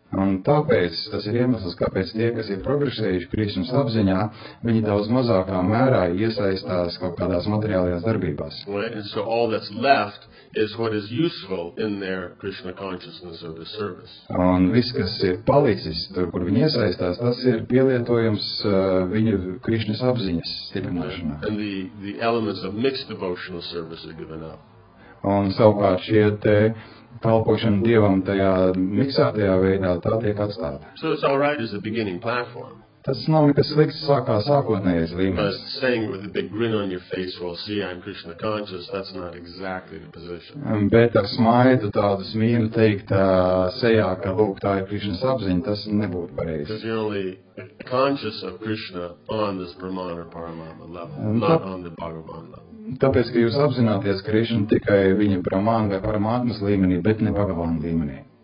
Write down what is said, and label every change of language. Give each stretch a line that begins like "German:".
Latvian: Un tāpēc, tas ir iemesls, kāpēc tie, kas ir progresējuši Krišnas apziņā, viņi daudz mazākā mērā iesaistās kaut kādās materiālajās darbībās.
English: Right? And so all that's left is what is useful in their Krishna consciousness or the service.
Latvian: Un viss, kas ir palicis, tur, kur viņi iesaistās, tas ir pielietojums viņu Krišnas apziņas stiprināšanā.
English: And the elements of mixed devotional service are given up.
Latvian: Un savukārt šie te kalpošana Dievam tajā miksātajā veidā tā tiek atstāta.
English: So it's all right as a beginning platform.
Latvian: Tas nav nekas slikts sākā sākotnējais līmenis.
English: But saying with a big grin on your face, well, see, I'm Krishna conscious, that's not exactly the position.
Latvian: Bet ar smaidu tādu smīnu teikt sejā, ka lūk, tā ir Krishna sapziņa, tas nebūtu pareizi.
English: Because you're only conscious of Krishna on this Brahman or Paramahama level, not on the Bhagavan level.
Latvian: Tāpēc, ka jūs apzināties Krishna tikai viņa Brahman vai Paramātmas līmenī, bet ne Bhagavan līmenī.